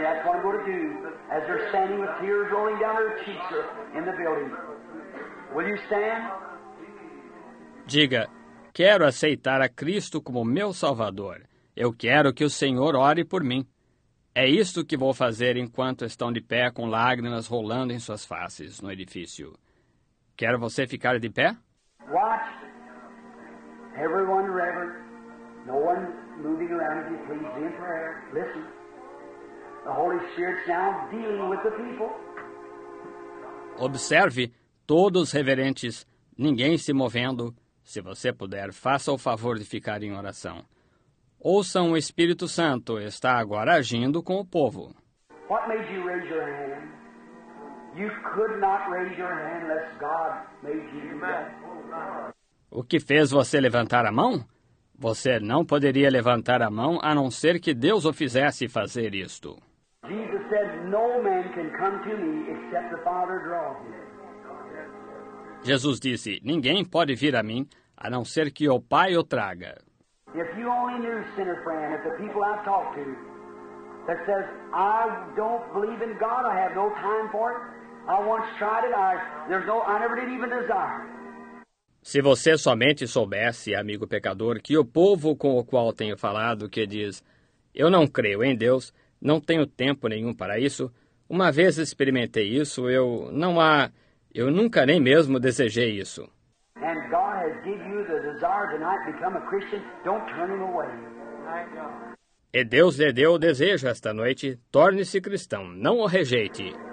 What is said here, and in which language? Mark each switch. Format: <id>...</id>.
<en>That's what I'm going to do. As they're standing with tears rolling down their cheeks, sir, in the building. Will you stand?</en> <pt>Diga, quero aceitar a Cristo como meu Salvador. Eu quero que o Senhor ore por mim. É isto que vou fazer enquanto estão de pé com lágrimas rolando em suas faces no edifício. Quer você ficar de pé?</pt> <en>Watch. Everyone reverent. No one moving around, if you please, be in prayer. Listen. The Holy Spirit's now dealing with the people.</en> <pt>Observe, todos reverentes, ninguém se movendo. Se você puder, faça o favor de ficar em oração. Ouça, o Espírito Santo está agora agindo com o povo.</pt> <en>What made you raise your hand? You could not raise your hand unless God made you do that.</en> <pt>O que fez você levantar a mão? Você não poderia levantar a mão a não ser que Deus o fizesse fazer isto.</pt> <en>Jesus said, no man can come to me except the Father draws him.</en> <pt>Jesus disse, ninguém pode vir a mim a não ser que o Pai o traga.</pt> <en>If you only knew, sinner friend, if the people I've talked to that says, I don't believe in God, I have no time for it, I once tried it, I never did even desire it.</en> <pt>Se você somente soubesse, amigo pecador, que o povo com o qual tenho falado, que diz, eu não creio em Deus, não tenho tempo nenhum para isso, uma vez experimentei isso, eu nunca nem mesmo desejei isso.</pt> <en>And God has given you the desire tonight to become a Christian, don't turn him away.</en> <pt>E Deus lhe deu o desejo esta noite, torne-se cristão, não o rejeite.</pt>